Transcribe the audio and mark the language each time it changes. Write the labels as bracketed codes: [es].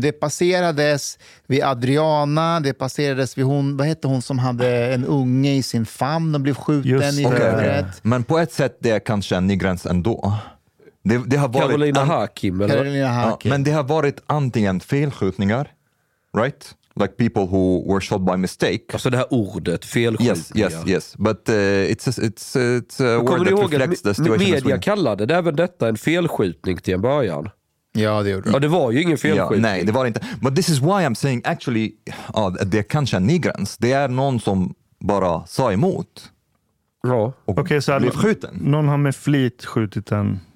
[sv] Det passerades vid Adriana. Det passerades vid hon, vad hette hon som hade en unge i sin famn och blev skjuten i huvudet. Men på ett sätt det är kanske en ny gräns ändå. det har varit Carolina Hakim, eller? Carolina Hakim. Ja, men det har varit antingen felskjutningar, right? [en] Like people who were shot by mistake. [sv] Alltså det här ordet, felskjutningar. [en] Yes, yes, yes. But it's a word that reflects the situation. [sv] Media kallade det även detta en felskjutning till en början. Ja, det gjorde det. Ja, det var ju ingen felskjutning. Ja, nej, det var inte. [en] But this is why I'm saying actually, [sv] det kanske är nigrans. Det är någon som bara sa emot. Ja. Okej, så blev skjuten. Någon har med flit skjutit en.